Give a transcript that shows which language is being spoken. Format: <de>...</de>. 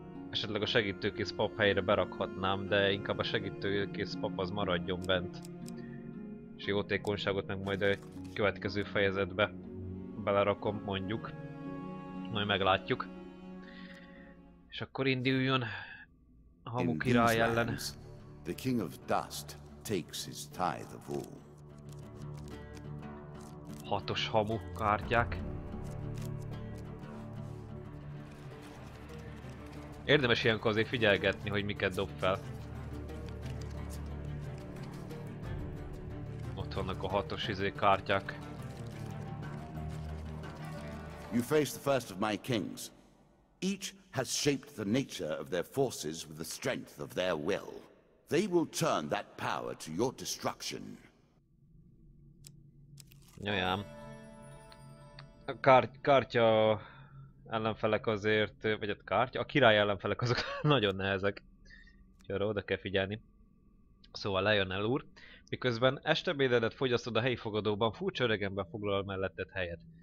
<hu>Esetleg a segítőkész pap helyre berakhatnám, de inkább a segítőkész pap az maradjon bent. És a jótékonyságot meg majd a következő fejezetbe. Belerakom, mondjuk. Majd meglátjuk. És akkor induljon a Hamu király ellen.</hu> <en>The King of Dust takes his tithe of all.</en> <hu>Hatos Hamu kártyák. Érdemes ilyenkor azért figyelgetni, hogy miket dob fel. Ott vannak a hatos kártyák.</hu> <en>You face the first of my kings. Each has shaped the nature of their forces with the strength of their will. They will turn that power to your destruction. Nyolyám.</en> <hu>A kártya ellenfelek azért, vagy a kártya? A király ellenfelek azok nagyon nehezek. hogy arra oda kell figyelni. Szóval Lionel úr, miközben estebédedet fogyasztod a helyi fogadóban, furcsa öregemben foglal melletted helyet.</hu>